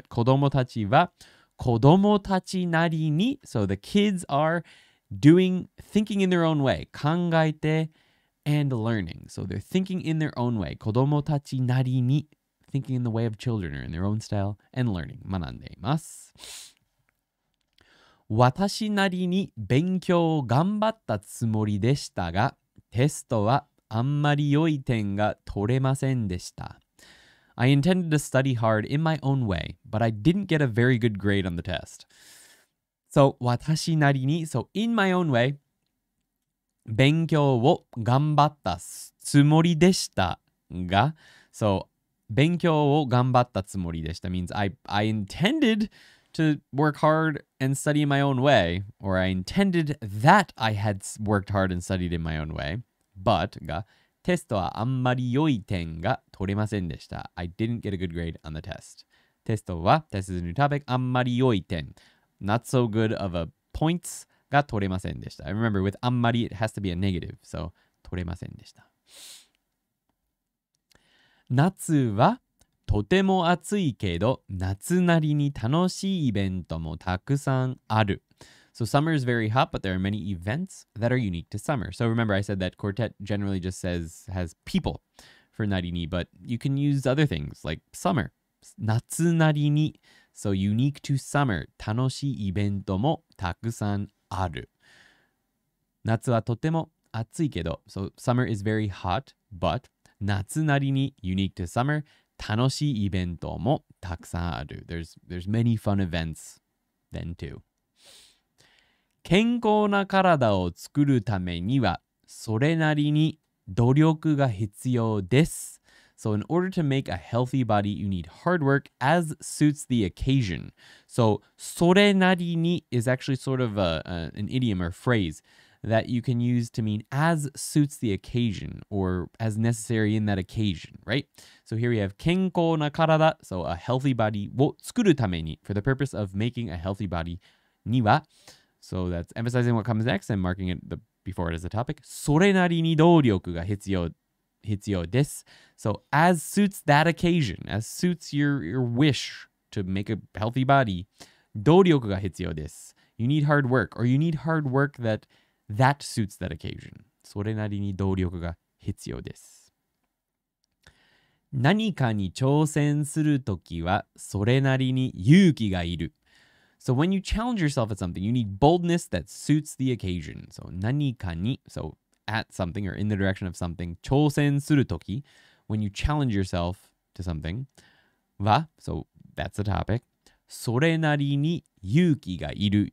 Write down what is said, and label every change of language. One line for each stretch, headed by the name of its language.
English: But
Japanese: 子供たちは, 子供たちなりに,
English: so the kids are doing, thinking in their own way.
Japanese: 考えて,
English: and learning. So they're thinking in their own way.
Japanese: 子供たちなりに,
English: thinking in the way of children or in their own style, and learning.
Japanese: 学んでいます。私なりに勉強を頑張ったつもりでしたが、テストはあんまり良い点が取れませんでした。
English: I intended to study hard in my own way, but I didn't get a very good grade on the test. So
Japanese: 私なりに,
English: so in my own way,
Japanese: 勉強を頑張ったつもりでしたが、
English: so
Japanese: 勉強を頑張ったつもりでした
English: means I intended to work hard and study in my own way, or I intended that I had worked hard and studied in my own way, but が
Japanese: テストはあんまり良い点が取れませんでした。
English: I didn't get a good grade on the test.
Japanese: テストは、
English: test is a new topic,
Japanese: あんまり良い点、
English: not so good of a points.
Japanese: が取れませんでした。
English: I remember with あんまり it has to be a negative, so
Japanese: 取れませんでした。夏はとても暑いけど、夏なりに楽しいイベントもたくさんある。
English: So summer is very hot, but there are many events that are unique to summer. So remember, I said that Quartet generally just says has people for なりに, but you can use other things like summer.
Japanese: 夏なりに,
English: so unique to summer,
Japanese: 楽しいイベントもたくさんある。ある。夏はとても暑いけど、
English: so summer is very hot, but
Japanese: 夏なりに
English: unique to summer,
Japanese: 楽しいイベントもたくさんある。
English: There's many fun events then too.
Japanese: 健康な体を作るためにはそれなりに努力が必要です。
English: So in order to make a healthy body, you need hard work as suits the occasion. So
Japanese: それなりに
English: is actually sort of an idiom or phrase that you can use to mean as suits the occasion or as necessary in that occasion, right? So here we have
Japanese: 健康な体,
English: so a healthy body,
Japanese: を作るために,
English: for the purpose of making a healthy body,
Japanese: には,
English: so that's emphasizing what comes next and marking it before it as a topic.
Japanese: それなりに努力が必要です。
English: So as suits that occasion, as suits your wish to make a healthy body,
Japanese: 努力が必要です。
English: You need hard work, or you need hard work that suits that occasion.
Japanese: それなりに努力が必要です。何かに挑戦するときはそれなりに勇気がいる。
English: So when you challenge yourself at something, you need boldness that suits the occasion. So
Japanese: 何かに、
English: so at something or in the direction of something,
Japanese: 挑戦するとき、
English: when you challenge yourself to something, は、so that's the topic,
Japanese: それなりに勇気がいる。